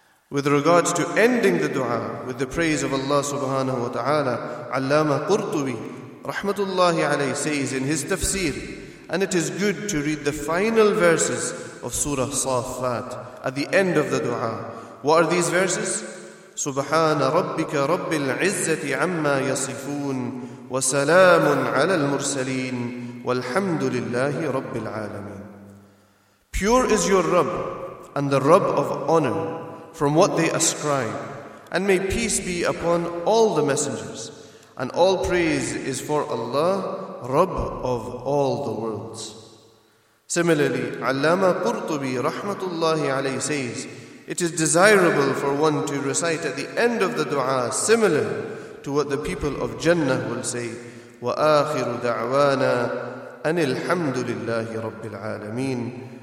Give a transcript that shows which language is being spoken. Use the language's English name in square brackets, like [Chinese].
[English] With regards to ending the dua with the praise of Allah subhanahu wa ta'ala, Allama Qurtubi rahmatullahi alayhi says in his tafsir, and it is good to read the final verses of Surah Saffat at the end of the dua. What are these verses? [Arabic] سبحان ربك رب العزة عما يصفون وسلام على المرسلين والحمد لله رب العالمين. [English] Pure is your Rabb and the Rabb of honor from what they ascribe, and may peace be upon all the messengers, and all praise is for Allah, Rabb of all the worlds. Similarly, Allama Qurtubi rahmatullahi alayhi says, it is desirable for one to recite at the end of the dua similar to what the people of Jannah will say, [Arabic] wa akhiru da'wana anilhamdulillahi rabbil alameen.